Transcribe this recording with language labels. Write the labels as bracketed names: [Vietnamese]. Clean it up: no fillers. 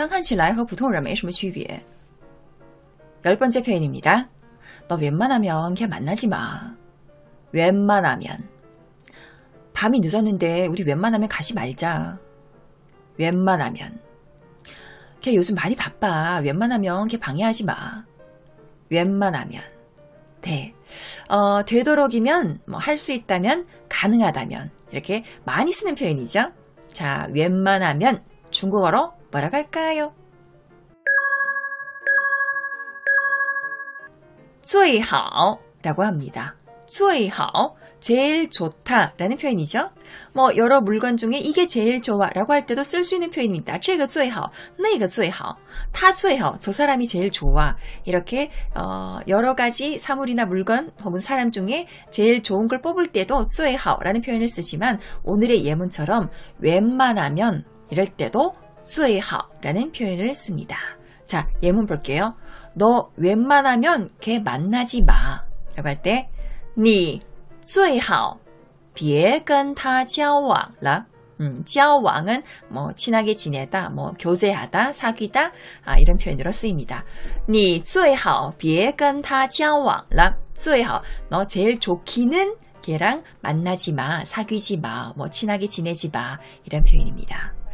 [Chinese] 他是大牌明星但看起来和普通人没什么区别他是大牌明星但看起来和普通人没什么区别他是大牌明星但看起来和普通人没什么区别 [Korean] 열 번째 표현입니다. 너 웬만하면 걔 만나지 마. 웬만하면 밤이 늦었는데 우리 웬만하면 가지 말자. 웬만하면 걔 요즘 많이 바빠. 웬만하면 걔 방해하지 마. 웬만하면 네. 되도록이면 뭐 할 수 있다면 가능하다면 이렇게 많이 쓰는 표현이죠. 자, 웬만하면 중국어로 뭐라 할까요? [Chinese] 最好 [Korean] 라고 합니다. 最好 제일 좋다 라는 표현이죠. 뭐 여러 물건 중에 이게 제일 좋아 라고 할 때도 쓸 수 있는 표현입니다. [Chinese] 这个最好,那个最好,他最好, [Korean] 저 사람이 제일 좋아. 이렇게 여러 가지 사물이나 물건 혹은 사람 중에 제일 좋은 걸 뽑을 때도 最好 라는 표현을 쓰지만 오늘의 예문처럼 웬만하면 이럴 때도 最好 라는 표현을 씁니다. 자, 예문 볼게요. 너 웬만하면 걔 만나지 마 라고 할 때 [Chinese] 니 最好别跟他交往了. [Korean] 交往은 뭐 친하게 지내다, 뭐 교제하다, 사귀다 이런 표현으로 쓰입니다. [Chinese] 你最好别跟他交往了.最好, [Korean] 너 제일 좋기는 걔랑 만나지 마, 사귀지 마, 뭐 친하게 지내지 마 이런 표현입니다.